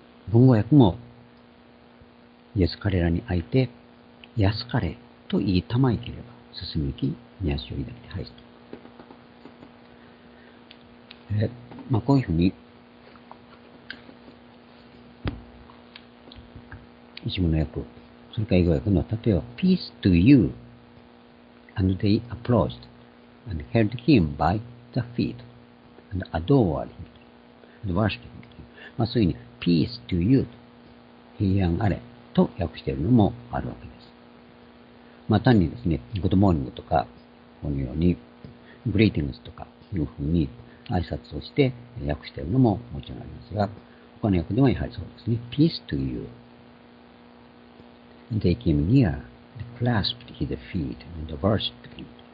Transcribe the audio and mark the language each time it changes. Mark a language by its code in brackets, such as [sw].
[ja] 文語訳も、イエス彼らに会いて、安かれと言いたまいければ進み行き、御足を抱きて拝す。まあ、こういうふうに、一部の訳、それから英語訳の、例えば、 [en] Peace to you, and they approached. And held him by the feet, and adored him, and worshiped him. [ja] まあ、そういうふうに、peace to you, 平安あれ、と訳しているのもあるわけです。まあ、単にですね、good morning とか、このように、greetings とか、いうふうに挨拶をして訳しているのももちろんありますが、他の訳でもやはりそうですね、 [en] peace to you. And they came near, and clasped his feet, and worshiped him.